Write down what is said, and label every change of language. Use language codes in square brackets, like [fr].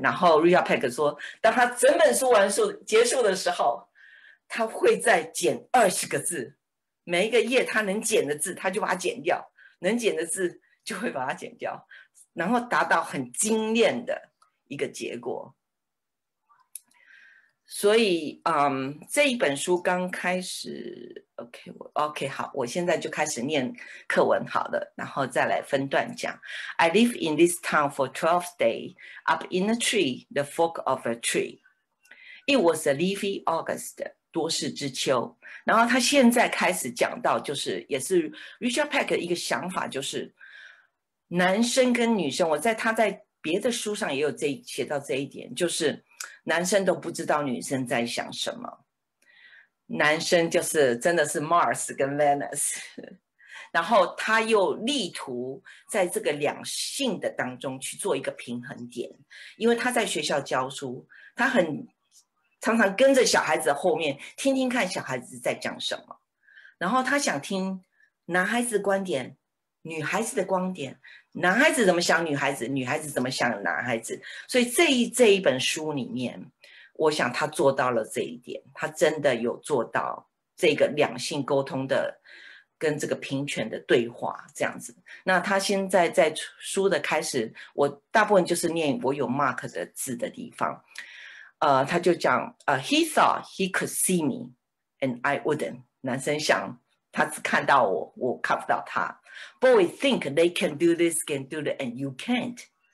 [zh] 然后 Richard Peck 说，当他整本书完书结束的时候，他会再剪20个字，每一个页他能剪的字他就把它剪掉，能剪的字就会把它剪掉，然后达到很精炼的一个结果。所以这一本书刚开始 OK 好，我现在就开始念课文好了，然后再来分段讲。 [en] I live in this town for 12th day up in a tree, the fork of a tree. It was a leafy August. [zh] 多事之秋。然后他现在开始讲到，就是也是 Richard Peck 的一个想法，就是男生跟女生，我在他在别的书上也有这写到这一点，就是男生都不知道女生在想什么，男生就是真的是 Mars 跟 Venus， 然后他又力图在这个两性的当中去做一个平衡点。因为他在学校教书，他很常常跟着小孩子后面听听看小孩子在讲什么，然后他想听男孩子的观点，女孩子的观点，男孩子怎么想女孩子，女孩子怎么想男孩子。所以这一本书里面，我想他做到了这一点，他真的有做到这个两性沟通的跟这个平权的对话这样子。那他现在在书的开始，我大部分就是念我有 mark 的字的地方。他就讲 [en] He thought he could see me and I wouldn't. [zh] 男生想他只看到我，我看不到他。 [en] Boys think they can do this, can do that, and you can't.